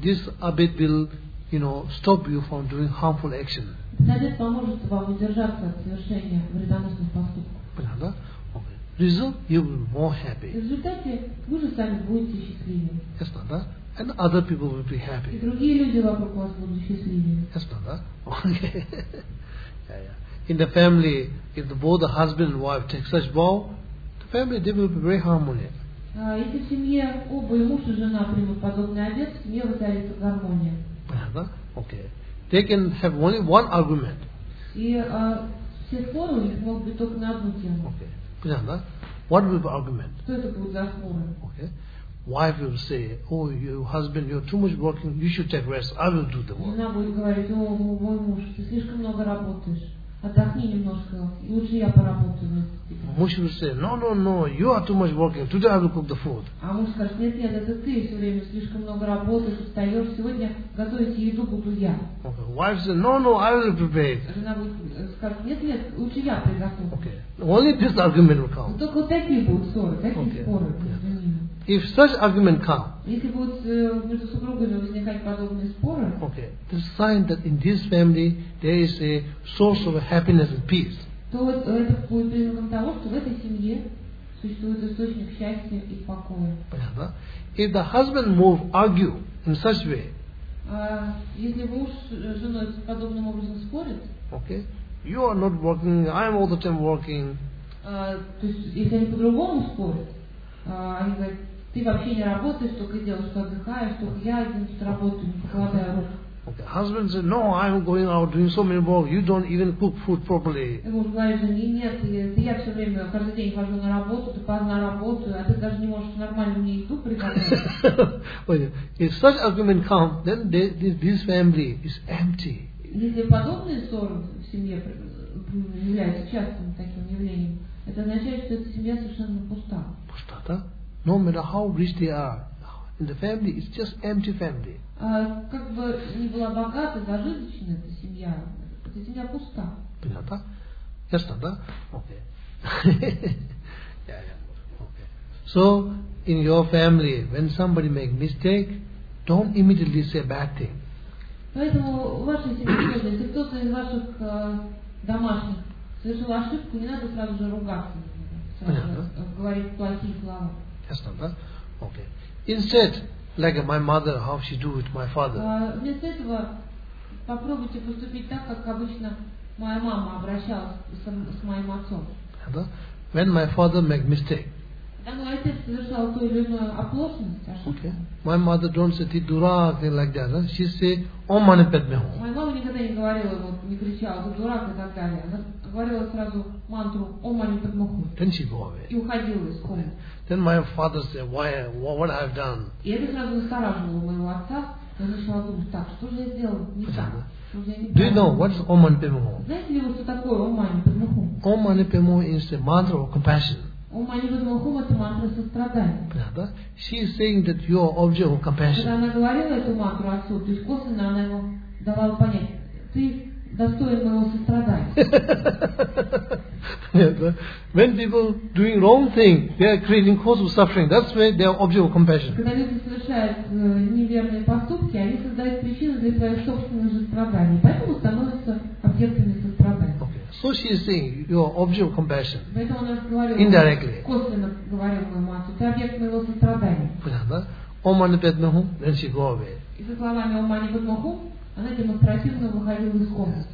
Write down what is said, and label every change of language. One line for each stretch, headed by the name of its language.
English: This abet will, you know, stop you from doing harmful action.
Russian: Обет поможет вам удержаться от совершения вредоносных поступков.
English: Понятно, да? Okay. Result, you will be more happy.
Russian: В результате вы же сами будете счастливее.
English: Yes, not, да? And other people will be happy.
Russian: И другие люди вокруг вас будут счастливее.
English: Yes, not,
Russian: да?
English: Okay. Yeah. in the family, if both the husband and wife take such vow, the family, they will be very harmonious.
Russian: Если в семье оба, и муж и жена, примут подобный обет, семья воцарится гармония. Понятно?
English: Окей. They can have only one argument.
Russian: И все споры у них могут быть только на одну тему.
English: Окей.
Russian: Понятно?
English: What will be the argument?
Russian: Что это будет за споры?
English: Окей. Wife will say, oh, your husband, you're too much working, you should take rest, I will do the work.
Russian: Жена будет говорить, о, мой муж, ты слишком много работаешь. Отдохни немножко, и лучше я поработаю. Муж
English: will say, no, you are too much working, today I will cook the food.
Russian: А муж скажет, нет, это ты все время слишком много работаешь, встаешь, сегодня готовить еду буду я.
English: Okay. Wife will say, no, I will prepare it.
Russian: Жена будет сказать, нет, лучше я приготовлю.
English: Okay. Only this argument will come.
Russian: Только вот такие будут ссоры, такие
English: okay.
Russian: споры.
English: Yeah. If such argument come,
Russian: если будут между супругами возникать подобные споры,
English: okay, the sign that in this family there is a source of happiness and peace.
Russian: То это будет признаком того, что в этой семье существует источник счастья и покоя. Понятно?
English: If the husband move argue in such way,
Russian: если муж с женой подобным образом спорит,
English: okay, you are not working, I am all the time working.
Russian: То есть если они по-другому спорят. Они говорят, ты вообще не работаешь, только делаешь, что отдыхаешь, только я один тут работаю, не покладаю рук.
English: Okay. Husband said, no, I'm going out doing so many work, you don't even cook food properly.
Russian: Муж говорит жене, нет, я все время, каждый день хожу на работу, ты поздно работаю, а ты даже не можешь нормально мне еду приготовить.
English: If such argument comes, then this family is empty.
Russian: Если подобные ссоры в семье являются частым таким явлением, это означает, что эта семья совершенно пуста.
English: No matter how rich they are, in the family, it's just empty family.
Russian: Как бы ни была богата, зажиточная эта семья, эта семья пуста. Понятно? Ясно, да? Okay. Okay.
English: So, in your family, when somebody makes mistake, don't immediately say bad thing.
Russian: Поэтому в вашей семье, если кто-то из ваших домашних совершил ошибку, не надо сразу же ругаться.
English: Yes, not that. Okay. Instead, like my mother, how she do with my father.
Russian: Вместо этого попробуйте поступить так, как обычно моя мама обращалась с моим отцом.
English: When my father make mistake.
Russian: Когда мой отец совершал ту или иную оплошность, ошибку.
English: My mother don't say
Russian: ты дурак
English: или like that. She say
Sanskrit: он мане падме хо.
Russian: Моя мама никогда не говорила, не кричала, ты дурак и так далее. Говорила сразу мантру «Ом мани падме хо».
English: Then she go away.
Russian: И уходила из комнаты.
English: Then my father said, why, what I have done?
Russian: И это сразу настораживало моего отца. Я начала думать, так, что же я сделал? Не так.
English: Do you know what is «Ом мани падме хо»?
Russian: Знаете ли вы, что такое «Ом мани падме хо»?
English: «Ом мани падме хо» is the mantra of compassion.
Russian: «Ом мани падме хо» — это мантра сострадания. Да?
English: She is saying that you are object of compassion.
Russian: Когда она говорила эту мантру отцу, то есть косвенно она ему давала понять, ты достоин моего сострадания.
English: When people doing wrong thing, they are creating cause of suffering. That's why they are object of compassion.
Russian: Когда люди совершают неверные поступки, они создают причину для своих собственных же страданий. Поэтому становятся объектами сострадания.
English: Okay. So she is saying you are object of compassion.
Russian: Поэтому она говорила
English: indirectly.
Russian: Косвенно говорила моему отцу, ты объект моего сострадания. Понятно?
Sanskrit: Ом мани падме хо,
English: then she go away.
Russian: И со словами Ом мани падме хо, она демонстративно выходила из комнаты.